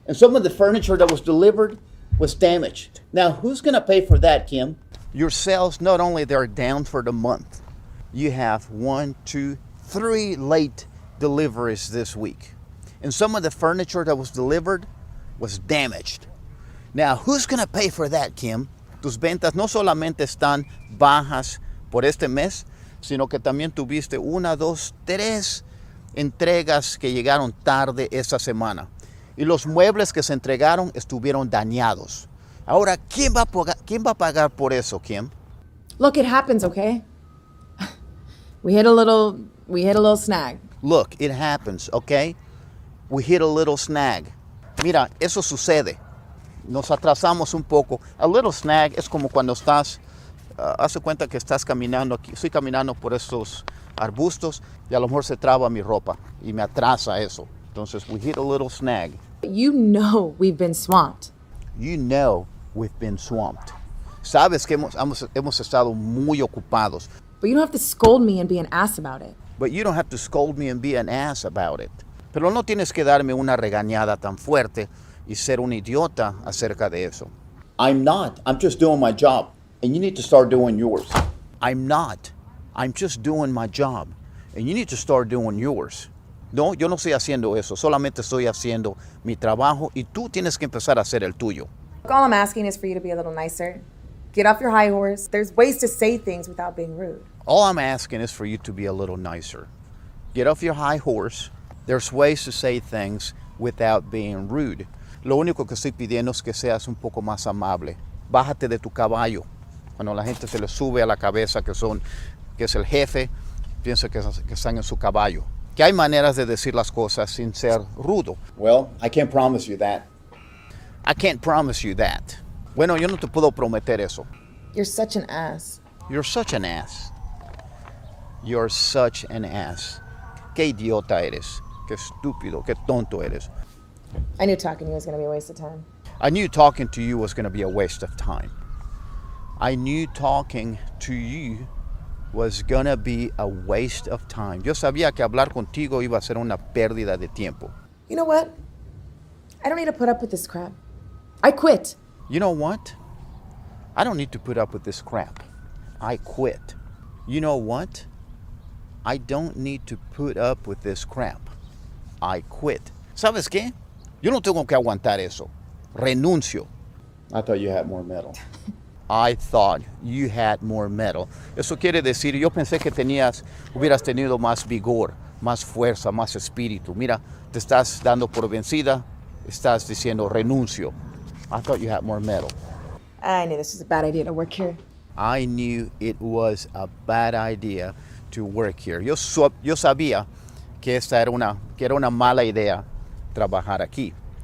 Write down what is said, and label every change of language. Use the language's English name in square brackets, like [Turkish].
[English] And some of the furniture that was delivered was damaged. Now, who's going to pay for that, Kim? Your sales, not only they are down for the month, you have 1, 2, 3 late deliveries this week. And some of the furniture that was delivered was damaged. Now, who's going to pay for that, Kim? [Spanish] Tus ventas no solamente están bajas por este mes, sino que también tuviste 1, 2, 3 entregas que llegaron tarde esa semana. Y los muebles que se entregaron estuvieron dañados. Ahora, ¿quién va a pagar por eso, Kim? [English] Look, it happens, okay? We hit a little snag. Look, it happens, okay? We hit a little snag. [Spanish] Mira, eso sucede. Nos atrasamos un poco. [English] A little snag [Spanish] es como cuando estás, hace cuenta que estás caminando aquí. Estoy caminando por estos arbustos y a lo mejor se traba mi ropa y me atrasa eso. Entonces, [English] we hit a little snag. You know we've been swamped. You know we've been swamped. [Spanish] Sabes que hemos estado muy ocupados. [English] But you don't have to scold me and be an ass about it. But you don't have to scold me and be an ass about it. [Spanish] Pero no tienes que darme una regañada tan fuerte y ser un idiota acerca de eso. [English] I'm not. I'm just doing my job. And you need to start doing yours. I'm not. I'm just doing my job. And you need to start doing yours. [Spanish] No, yo no estoy haciendo eso. Solamente estoy haciendo mi trabajo y tú tienes que empezar a hacer el tuyo. [English] Look, all I'm asking is for you to be a little nicer. Get off your high horse. There's ways to say things without being rude. All I'm asking is for you to be a little nicer. Get off your high horse. There's ways to say things without being rude. [Spanish] Lo único que estoy pidiendo es que seas un poco más amable. Bájate de tu caballo. Cuando la gente se le sube a la cabeza que es el jefe, piensa que están en su caballo. Que hay maneras de decir las cosas sin ser rudo. [English] Well, I can't promise you that. I can't promise you that. [Spanish] Bueno, yo no te puedo prometer eso. [English] You're such an ass. You're such an ass. You're such an ass. [Spanish] Qué idiota eres. Qué estúpido. Qué tonto eres. [English] I knew talking to you was going to be a waste of time. I knew talking to you was going to be a waste of time. I knew talking to you was going to be a waste of time. [Spanish] Yo sabía que hablar contigo iba a ser una pérdida de tiempo. [English] You know what? I don't need to put up with this crap. I quit. You know what? I don't need to put up with this crap. I quit. You know what? I don't need to put up with this crap. I quit. [Spanish] ¿Sabes qué? Yo no tengo que aguantar eso. Renuncio. [English] I thought you had more metal. I thought you had more metal. [Spanish] Eso quiere decir, yo pensé que tenías, hubieras tenido más vigor, más fuerza, más espíritu. Mira, te estás dando por vencida, estás diciendo renuncio. [English] I thought you had more metal. I knew this was a bad idea to work here. I knew it was a bad idea to work here. [Spanish] Yo sabía que esta era una, que era una mala idea trabajar aquí.